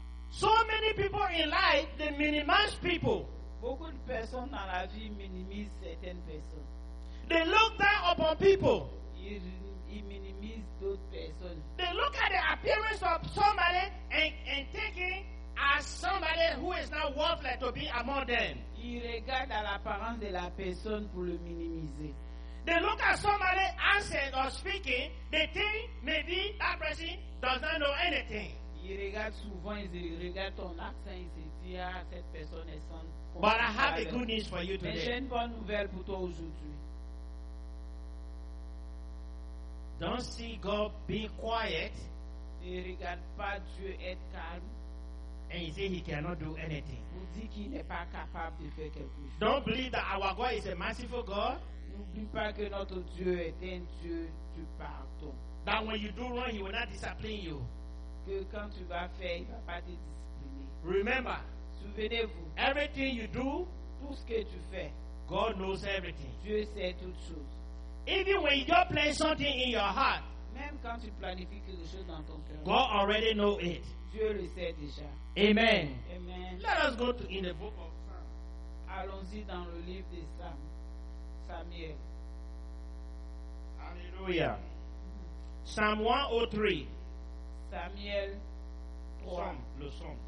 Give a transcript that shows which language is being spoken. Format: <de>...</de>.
<en>So many people in life, they minimize people. They look down upon people. They look at the appearance of somebody and take it as somebody who is not worthless to be among them.</en> <fr>Il regarde à l'apparence de la personne pour le minimiser.</fr> <en>They look at somebody answering or speaking, they think maybe that person does not know anything.</en> <fr>Il regarde souvent, il regarde ton accent, il se dit, ah, cette personne est sans.</fr> <en>But I have a good news for you today.</en> <fr>Mais j'ai une bonne nouvelle pour toi aujourd'hui.</fr> <en>Don't see God being quiet.</en> <fr>Ne regarde pas Dieu être calme.</fr> <en>And he said he cannot do anything.</en> <fr>Vous dites qu'il n'est pas capable de faire quelque chose.</fr> <en>Don't believe that our God is a merciful God.</en> <fr>N'oublie pas que notre Dieu est un Dieu du pardon.</fr> <en>That when you do wrong, he will not discipline you.</en> <fr>Que quand tu vas faire, il ne va pas te discipliner.</fr> <en>Remember.</en> <fr>Souvenez-vous.</fr> <en>Everything you do,</en> <fr>tout ce que tu fais,</fr> <en>God knows everything.</en> <fr>Dieu sait toutes choses.</fr> <en>Even when you don't plan something in your heart,</en> <fr>même quand tu planifies quelque chose dans ton cœur,</fr> <en>God already knows it.</en> <fr>Dieu le sait déjà.</fr> <en>Amen.</en> <fr>Amen.</fr> <en>Let us go to in the book of Psalm.</en> <fr>Allons-y dans le livre de Sam. Samuel.</fr> <en>Alléluia. Psalm 103.</en> <fr>Samuel 3. Psalm, le psaume.</fr>